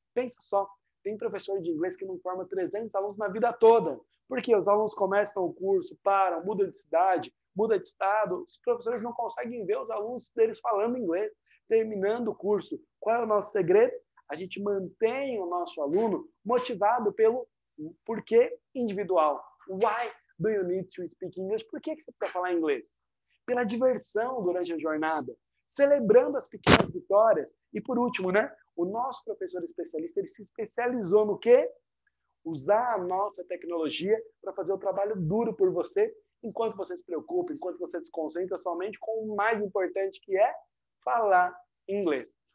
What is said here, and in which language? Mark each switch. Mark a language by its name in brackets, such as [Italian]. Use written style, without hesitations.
[Portuguese] Pensa só, tem professor de inglês que não forma 300 alunos na vida toda. Por quê? Os alunos começam o curso, param, mudam de cidade, mudam de estado. Os professores não conseguem ver os alunos deles falando inglês, terminando o curso. Qual é o nosso segredo? A gente mantém o nosso aluno motivado pelo porquê individual. [English] Why do you need to speak English? [Portuguese] Por que você precisa falar inglês? Pela diversão durante a jornada, celebrando as pequenas vitórias. E por último, né? O nosso professor especialista, ele se especializou no quê? Usar a nossa tecnologia para fazer o trabalho duro por você, enquanto você se preocupa, enquanto você se concentra somente com o mais importante, que é falar inglês.